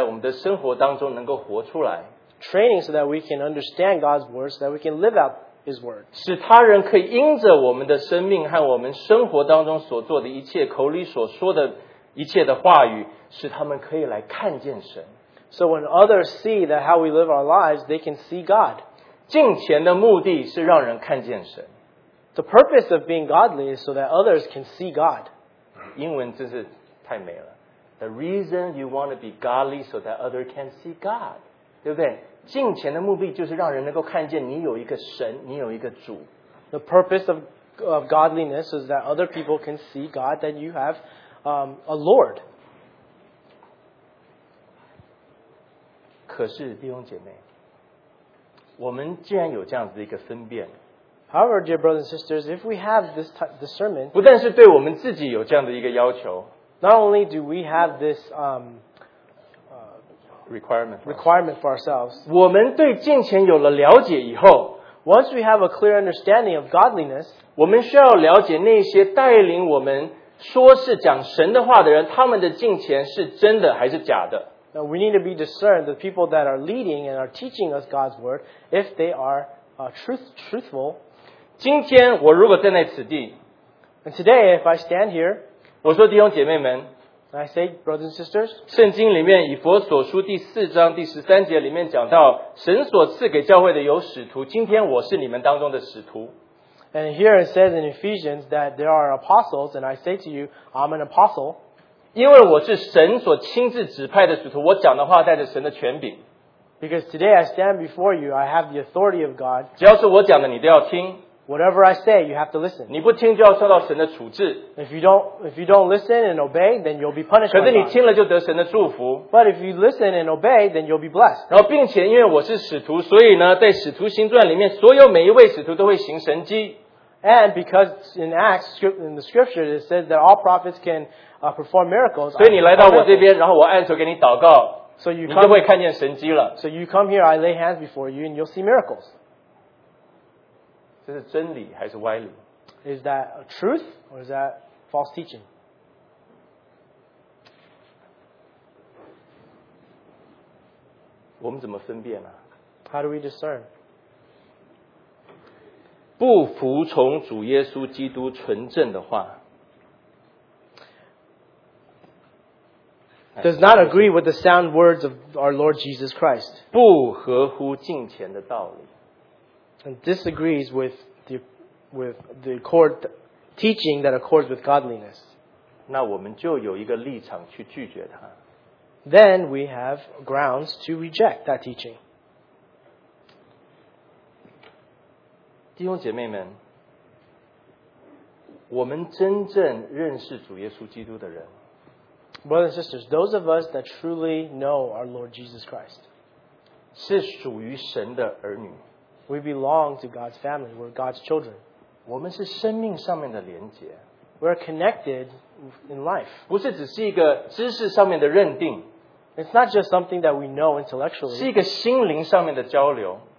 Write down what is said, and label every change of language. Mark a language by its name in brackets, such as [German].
[Chinese] 操练我们对神的话语有认识,并且在我们的生活当中能够活出来。 [English] Training so that we can understand God's word, so that we can live out His word. [Chinese] 使他人可以因着我们的生命和我们生活当中所做的一切,口里所说的一切的话语,使他们可以来看见神。 [English] So when others see that how we live our lives, they can see God. [Chinese] 敬虔的目的是让人看见神。 [English] The purpose of being godly is so that others can see God. [Chinese] 英文真是太美了。 [English] The reason you want to be godly so that others can see God. [Chinese] 对不对? 敬虔的目的就是让人能够看见你有一个神,你有一个主。 [English] The purpose of godliness is that other people can see God, that you have a Lord. [Chinese] 可是弟兄姐妹, 我们既然有这样子的一个分辨, [English] However, dear brothers and sisters, if we have this discernment, [Chinese] 不但是对我们自己有这样的一个要求, [English] not only do we have this requirement for ourselves, [Chinese] 我们对敬虔有了了解以后, [English] once we have a clear understanding of godliness, [Chinese] 我们需要了解那些带领我们说是讲神的话的人,他们的敬虔是真的还是假的? [English] Now we need to be discerned, the people that are leading and are teaching us God's word, if they are truthful. [Chinese] 今天我如果站在此地, [English] and today, if I stand here, [Chinese] 我说弟兄姐妹们, [English] I say, brothers and sisters, [Chinese] 圣经里面以弗所书第四章第十三节里面讲到, 神所赐给教会的有使徒, 今天我是你们当中的使徒。 [English] And here it says in Ephesians that there are apostles, and I say to you, I'm an apostle. [Chinese] 因为我是神所亲自指派的使徒, 我讲的话带着神的权柄。 [English] Because today I stand before you, I have the authority of God. [Chinese] 只要是我讲的, 你都要听。 [English] Whatever I say, you have to listen. [Chinese] 你不听就要受到神的处置。 [English] If you don't listen and obey, then you'll be punished. [Chinese] 可是你听了就得神的祝福。 [English] But if you listen and obey, then you'll be blessed. [Chinese] 然后并且因为我是使徒, 所以呢, 在使徒行传里面, 所有每一位使徒都会行神迹。 [English] And because in Acts, in the scripture, it says that all prophets can perform miracles. [Chinese] 所以你来到我这边, 然后我按手给你祷告, [English] so you [Chinese] 你就会看见神迹了。 [English] So you come here, I lay hands before you, and you'll see miracles. [Chinese] 这是真理还是歪理? [English] Is that a truth or is that false teaching? [Chinese] 我们怎么分辨啊? [English] How do we discern? [Chinese] 不服从主耶稣基督纯正的话, [English] does not agree with the sound words of our Lord Jesus Christ. [Chinese] 不合乎敬虔的道理, [English] and disagrees with the accord, teaching that accords with godliness. [Chinese] 那我们就有一个立场去拒绝它。 [English] Then we have grounds to reject that teaching. [Chinese] 弟兄姐妹们, 我们真正认识主耶稣基督的人, [English] brothers and sisters, those of us that truly know our Lord Jesus Christ, [Chinese] 是属于神的儿女, [English] we belong to God's family, we're God's children. [Chinese] 我们是生命上面的连结, [English] we're connected in life. [Chinese] 不是只是一个知识上面的认定, [English] it's not just something that we know intellectually. [Chinese] 是一个心灵上面的交流,